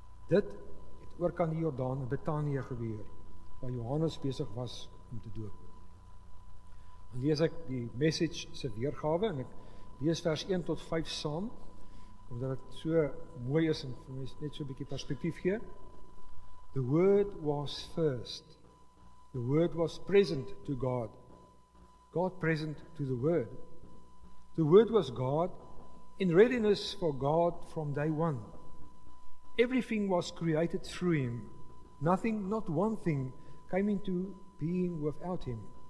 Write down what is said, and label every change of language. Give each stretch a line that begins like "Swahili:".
Afrikaans: Dit het ook aan die Jordaan in Betanië gebeur, waar Johannes besig was om te doop. Dan lees ek die message se weergawe, en ek lees vers 1 tot 5 saam, omdat het so mooi is en vir mys net so bietjie perspektief gee.
English: The word was first. The word was present to God. God present to the word. The word was God in readiness for God from day one. Everything was created through him. Nothing, not one thing, came into being without him.